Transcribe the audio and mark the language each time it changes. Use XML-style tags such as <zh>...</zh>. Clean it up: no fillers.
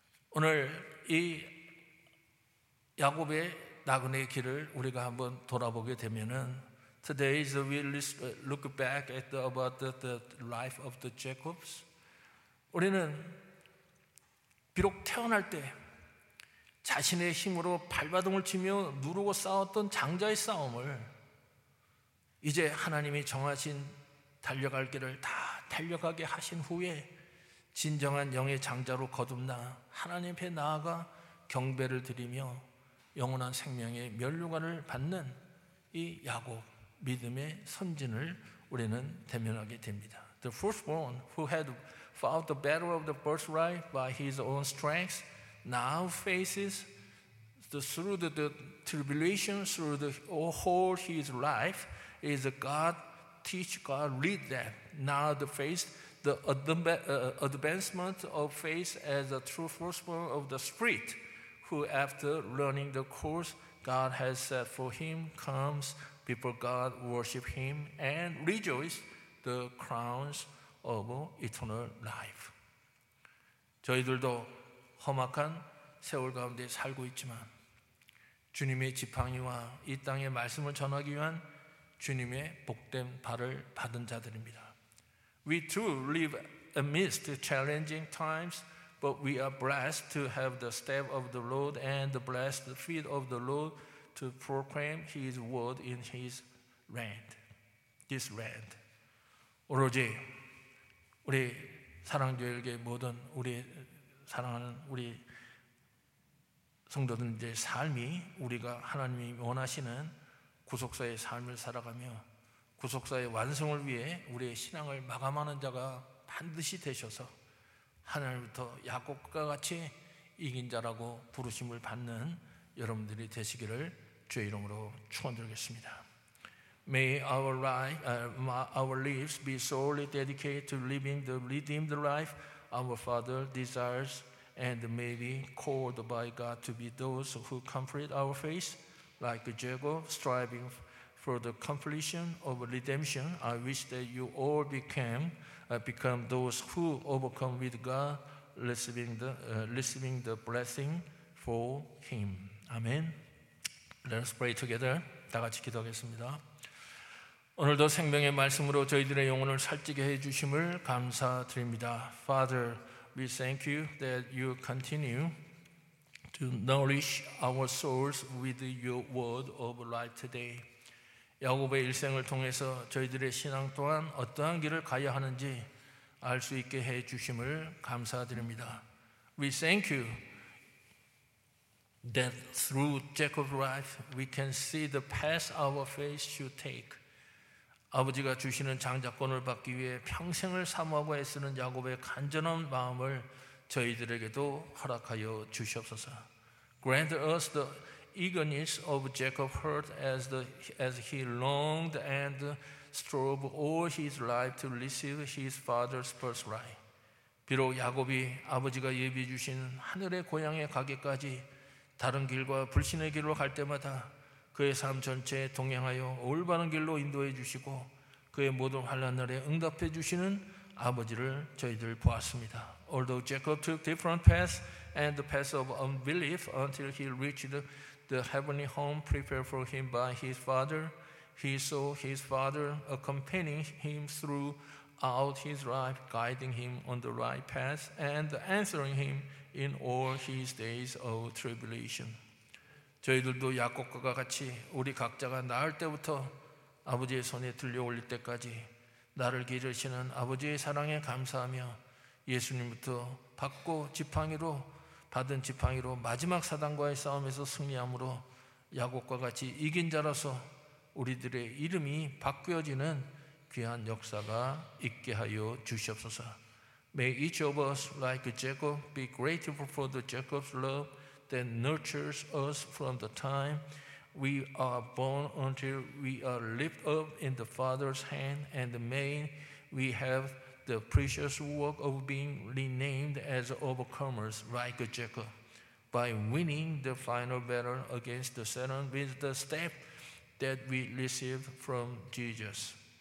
<ko>오늘 이 야곱의 나그네 길을 우리가 한번 돌아보게 되면은</ko> <en>today is we look back at about the life of the Jacobs.</en> <ko>우리는 비록 태어날 때 자신의 힘으로 발바닥을 치며 누르고 싸웠던 장자의 싸움을 이제 하나님이 정하신 달려갈 길을 다 달려가게 하신 후에 진정한 영의 장자로 거듭나 하나님 앞에 나아가 경배를 드리며 영원한 생명의 면류관을 받는 이 야곱 믿음의 선진을 우리는 대면하게 됩니다.</ko> <en>The firstborn who had fought the battle of the birthright by his own strength, now faces through the tribulation, through the whole his life, is God teach, God lead them. Now they face the advancement of faith as a true firstborn of the spirit, who after learning the course God has set for him, comes before God, worship him, and rejoice the crowns of eternal life.</en> <ko>저희들도 험악한 세월 가운데 살고 있지만 주님의 지팡이와 이 땅의 말씀을 전하기 위한 주님의 복된 발을 받은 자들입니다.</ko> <en>We too live amidst challenging times, but we are blessed to have the step of the Lord and the blessed feet of the Lord to proclaim his word in his land. This land.</en> <ko>오로지 우리 사랑교회에게 모든 우리 사랑하는 우리 성도들의 삶이 우리가 하나님이 원하시는 구속사의 삶을 살아가며 구속사의 완성을 위해 우리의 신앙을 마감하는 자가 반드시 되셔서 하나님부터 야곱과 같이 이긴 자라고 부르심을 받는 여러분들이 되시기를 주의 이름으로 축원드리겠습니다.</ko> <en>May our lives be solely dedicated to living the redeemed life our Father desires and may be called by God to be those who comfort our faith like Jacob striving for the completion of redemption. I wish that you all become those who overcome with God, receiving the blessing for him. Amen. Let us pray together.</en> <ko>다 같이 기도하겠습니다. 오늘도 생명의 말씀으로 저희들의 영혼을 살찌게 해 주심을 감사드립니다.</ko> <en>Father, we thank you that you continue to to nourish our souls with your word of life today.</en> <ko>야곱의 일생을 통해서 저희들의 신앙 또한 어떠한 길을 가야 하는지 알 수 있게 해 주심을 감사드립니다.</ko> <en>We thank you that through Jacob's life we can see the path our faith should take.</en> <ko>아버지가 주시는 장자권을 받기 위해 평생을 사모하고 애쓰는 야곱의 간절한 마음을 저희들에게도 허락하여 주시옵소서.</ko> <en>Grant us the eagerness of Jacob's heart as he longed and strove all his life to receive his father's birthright.</en> <ko>비록 야곱이 아버지가 예비해 주신 하늘의 고향에 가기까지 다른 길과 불신의 길로 갈 때마다 그의 삶 전체에 동행하여 올바른 길로 인도해 주시고 그의 모든 환난에 응답해 주시는 아버지를 저희들 보았습니다.</ko> <en>Although Jacob took different paths and the paths of unbelief until he reached the heavenly home prepared for him by his father, he saw his father accompanying him throughout his life, guiding him on the right path and answering him in all his days of tribulation.</en> <ko>저희들도 야곱과 같이 우리 각자가 낳을 때부터 아버지의 손에 들려 올릴 때까지 나를 기르시는 아버지의 사랑에 감사하며 예수님부터 받고 지팡이로 받은 지팡이로 마지막 사단과의 싸움에서 승리함으로 야곱과 같이 이긴 자로서 우리들의 이름이 바뀌어지는 귀한 역사가 있게 하여 주시옵소서.</ko> <en>May each of us, like Jacob, be grateful for the Jacob's love that nurtures us from the time we are born until we are lifted up in the Father's hand, and may we have the precious work of being renamed as overcomers like Jacob by winning the final battle against the Satan with the step that we receive from Jesus.</en>